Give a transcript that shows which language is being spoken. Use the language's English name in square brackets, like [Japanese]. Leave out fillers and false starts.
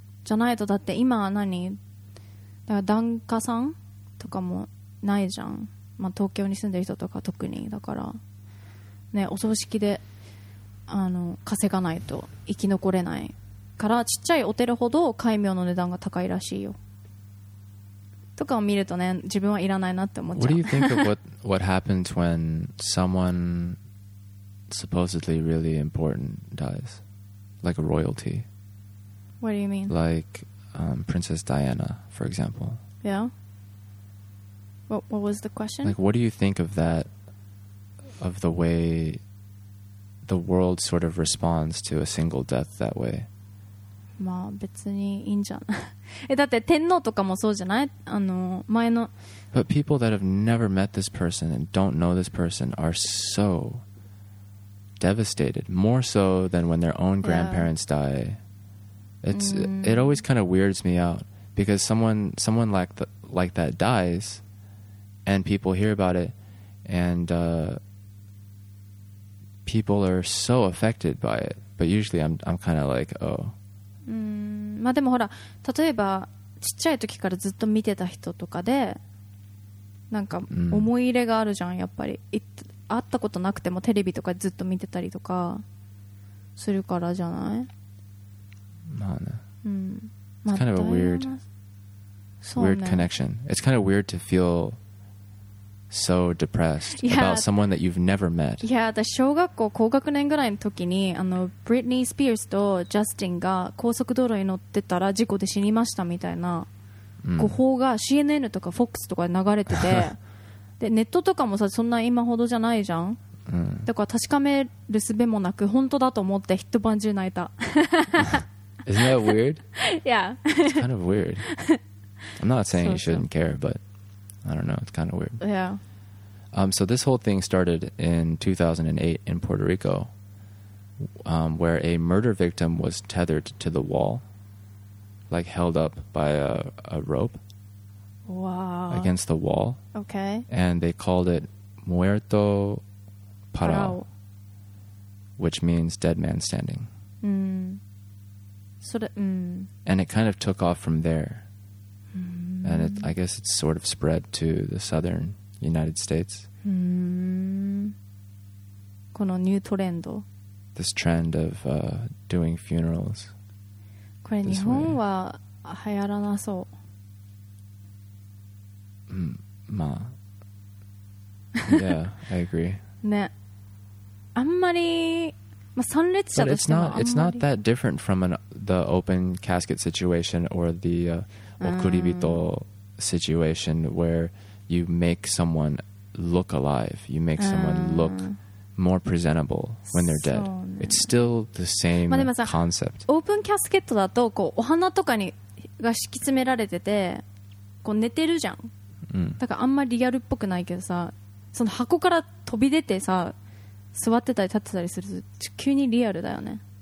[Japanese] じゃないとだって今何だから檀家さんとかもないじゃん、まあ、東京に住んでる人とか特に。だからね、お葬式で稼がないと生き残れないから、ちっちゃいお寺ほど戒名の値段が高いらしいよとかを見るとね、自分はいらないなって思っちゃう。 [English] What do you think of what happens when someoneSupposedly really important dies, like a royalty. What do you mean? Like、Princess Diana, for example. Yeah. What was the question? Like, what do you think of that, of the way the world sort of responds to a single death that way? [Japanese] まあ別にいいんじゃん。え、だって天皇とかもそうじゃない? あの、前の。 [English] But people that have never met this person and don't know this person are so... devastated, more so than when their own grandparents、yeah. die. It's、it always kind of weirds me out because someone like that dies and people hear about it and、people are so affected by it. But usually I'm kind of like, oh.、 Mm. [Japanese] まあでもほら、例えばちっちゃい時からずっと見てた人とかで、なんか思い入れがあるじゃん、やっぱり。会ったことなくてもテレビとかずっと見てたりとかするからじゃない？まあね。うん。 [English] It's kind of a weird, weird connection. It's kind of weird to feel so depressed about someone that you've never met. [Japanese] Yeah, 私小学校高学年ぐらいの時に、あの、ブリッニー・スピアーズとジャスティンが高速道路に乗ってたら事故で死にましたみたいな誤報が CNN とか FOX とかで流れてて、でネットとかもさ、そんな今ほどじゃないじゃん。だから確かめる術もなく本当だと思って一晩中泣いた。 [English] Isn't that weird? Yeah. It's kind of weird. I'm not saying you shouldn't care, but I don't know. It's kind of weird. Yeah. So this whole thing started in 2008 in Puerto Rico, where a murder victim was tethered to the wall, like held up by a rope. Wow. Against the wall. Okay. And they called it Muerto Parado, wow. which means dead man standing. Hmm. And it kind of took off from there. And it, I guess it sort of spread to the southern United States. [Japanese] このニュートレンド。 [English] This trend of doing funerals. [Japanese] これ日本は流行らなそう。 [English] まあ。Yeah, I agree. [Japanese] ね。あんまり。まあ、参列者としてもあんまり。 [English] But it's not that different from the open casket situation or the okuribito situation where you make someone look alive. You make someone look more presentable when they're dead. So, it's still the same concept. [Japanese] オープンキャスケットだとこうお花とかにが敷き詰められててこう寝てるじゃん。だからあんまりリアルっぽくないけどさ、その箱から飛び出てさ、座ってたり立ってたりすると急にリアルだよね。